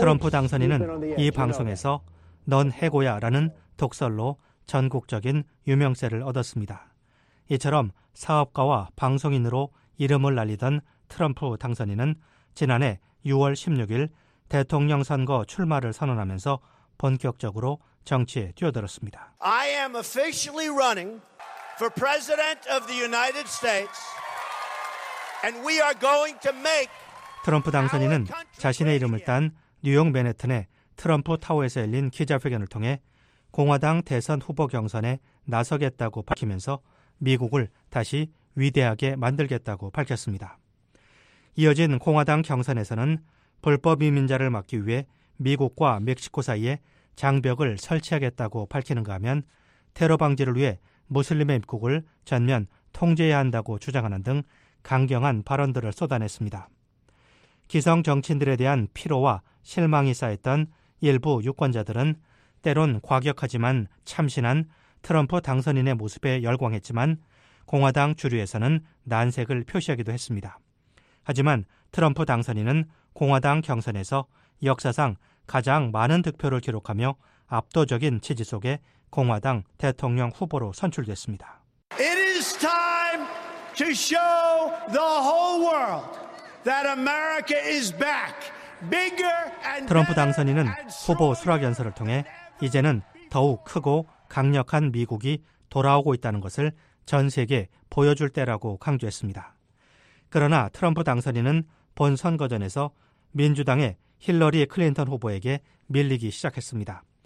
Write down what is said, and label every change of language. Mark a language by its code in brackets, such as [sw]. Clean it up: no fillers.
[ko] 트럼프 당선인은 이 방송에서 넌 해고야 라는 독설로 전국적인 유명세를 얻었습니다. 이처럼 사업가와 방송인으로 이름을 날리던 트럼프 당선인은 지난해 6월 16일 대통령 선거 출마를 선언하면서 본격적으로 정치에 뛰어들었습니다. [en] I am officially running for president of the United States and we are going to make [ko] 트럼프 당선인은 자신의 이름을 딴 뉴욕 맨해튼의 트럼프 타워에서 열린 기자회견을 통해 공화당 대선 후보 경선에 나서겠다고 밝히면서 미국을 다시 위대하게 만들겠다고 밝혔습니다. 이어진 공화당 경선에서는 불법 이민자를 막기 위해 미국과 멕시코 사이에 장벽을 설치하겠다고 밝히는가 하면 테러 방지를 위해 무슬림의 입국을 전면 통제해야 한다고 주장하는 등 강경한 발언들을 쏟아냈습니다. 기성 정치인들에 대한 피로와 실망이 쌓였던 일부 유권자들은 때론 과격하지만 참신한 트럼프 당선인의 모습에 열광했지만 공화당 주류에서는 난색을 표시하기도 했습니다. 하지만 트럼프 당선인은 공화당 경선에서 역사상 가장 많은 득표를 기록하며 압도적인 지지 속에 공화당 대통령 후보로 선출됐습니다. [en] It is time to show the whole world that America is back. Bigger and [ko] 트럼프 당선인은 후보 수락연설을 통해 이제는 더욱 크고 강력한 미국이 돌아오고 있다는 것을 전 세계에 보여줄 때라고 강조했습니다. 그러나 트럼프 당선인은 본 선거전에서 민주당의 힐러리 클린턴 후보에게 밀리기 시작했습니다.